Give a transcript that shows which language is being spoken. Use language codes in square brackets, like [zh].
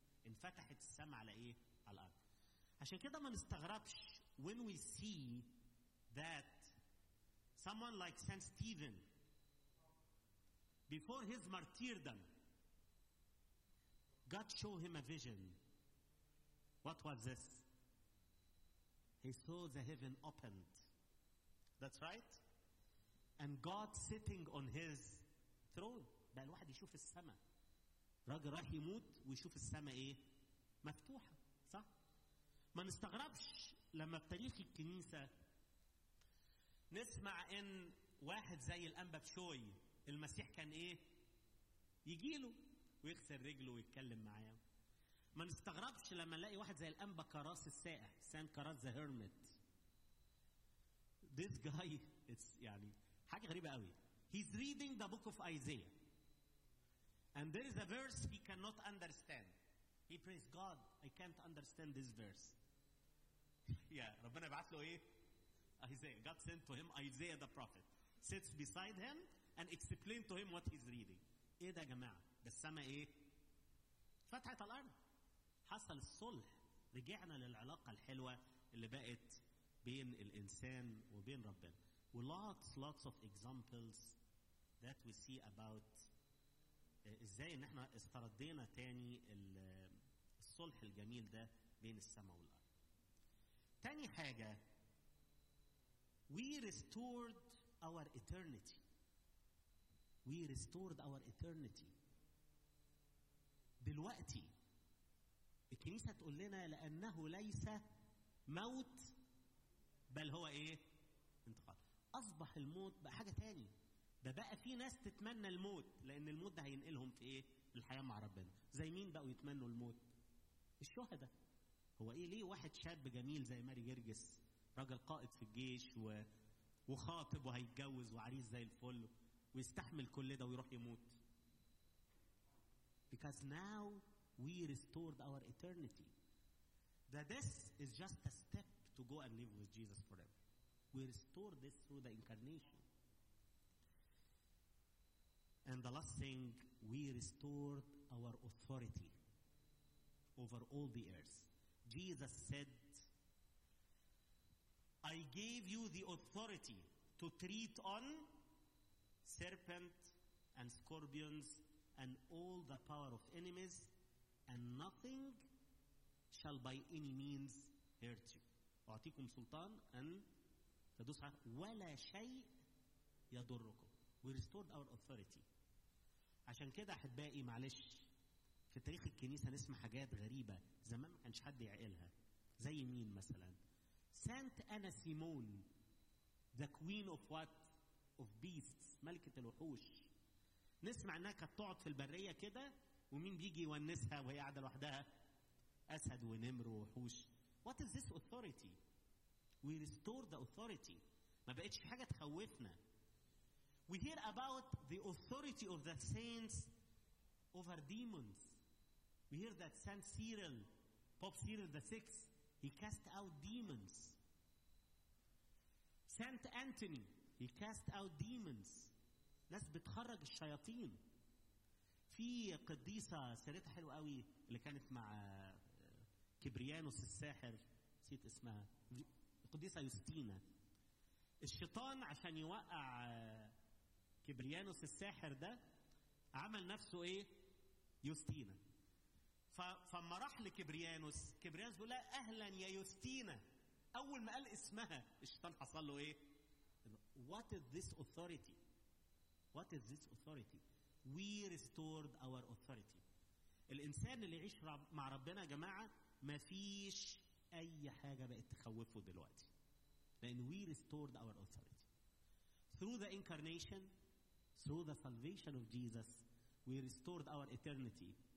[ar] انفتحت السماء على إيه؟ على الأرض. عشان كده ما نستغربش [en] when we see that someone like Saint Stephen, before his martyrdom, God showed him a vision. What was this? He saw the heaven opened. That's right. And God sitting on his throne. [ar] بقى الواحد يشوف السماء. راجل راح يموت ويشوف السماء ايه؟ مفتوحة. صح؟ ما نستغربش لما بتاريخ الكنيسة نسمع ان واحد زي الانبا بشوي المسيح كان ايه يجيله ويغسل رجله ويتكلم معاه. ما نستغربش لما نلاقي واحد زي الانبا كراس السائح سان كراس ذا هيرميت. [en] This guy it's [ar] يعني حاجة غريبة قوي. [en] He's reading the book of Isaiah and there is a verse he cannot understand. He prays, God, I can't understand this verse. Yeah, [ar] ربنا يبعث له ايه Isaiah. [en] God sent to him Isaiah the prophet. Sits beside him and explain to him what he's reading. [ar] ايه ده يا جماعة؟ بالسماء ايه؟ فتحت الأرض. حصل الصلح. رجعنا للعلاقة الحلوة اللي بقت بين الإنسان وبين ربنا. [en] Lots of examples that we see about [ar] ازاي ان احنا استردينا تاني الصلح الجميل ده بين السماء والأرض. تاني حاجة, [en] We restored our eternity. [ar] دلوقتي الكنيسة تقول لنا لأنه ليس موت بل هو إيه؟ انتقال. أصبح الموت بقى حاجة تاني. بقى في ناس تتمنى الموت لأن الموت ده هينقلهم في إيه؟ الحياة مع ربنا. زي مين بقوا يتمنوا الموت؟ الشهداء. هو إيه ليه واحد شاب جميل زي ماري جرجس رجل قائد في الجيش و وخاطب وهيتجوز وعريس زي الفل ويستحمل كل ده ويروح يموت؟ [en] Because now we restored our eternity. That this is just a step to go and live with Jesus forever. We restored this through the incarnation. And the last thing, we restored our authority over all the earth. Jesus said, I gave you the authority to tread on serpents and scorpions and all the power of enemies, and nothing shall by any means hurt you. [ar] أعطيكم سلطان أن تدوس على ولا شيء يضركم. [en] We restored our authority. [ar] عشان كده أحبائي معلش في تاريخ الكنيسة نسمع حاجات غريبة زمان ما كانش حد يعقلها. زي مين مثلا؟ سانت أنا سيمون [en] the queen of what? Of beasts, [ar] ملكة الوحوش. نسمع أنها كانت تقعد في البرية كده ومين بيجي يونسها وهي قاعدة لوحدها؟ أسد ونمر ووحوش. [en] What is this authority? We restore the authority. [ar] ما بقتش حاجة تخوفنا. [en] We hear about the authority of the saints over demons. We hear that Saint Cyril, Pope Cyril the Sixth, He cast out demons. Saint Anthony, he cast out demons. [ar] ناس بتخرج الشياطين. في قديسة سيرتها حلوة قوي اللي كانت مع كبريانوس الساحر. نسيت اسمها. قديسة يوستينا. الشيطان عشان يوقع كبريانوس الساحر ده عمل نفسه ايه؟ يوستينا. فما راح لكبريانوس كبريانوس بيقول لها اهلا يا يوستينا. اول ما قال اسمها الشيطان حصل له ايه؟ [en] What is this authority? What is this authority? We restored our authority. [ar] الانسان اللي يعيش مع ربنا يا جماعة ما فيش اي حاجة بقت تخوفه دلوقتي. لان [en] we restored our authority. Through the incarnation, through the salvation of Jesus, we restored our eternity.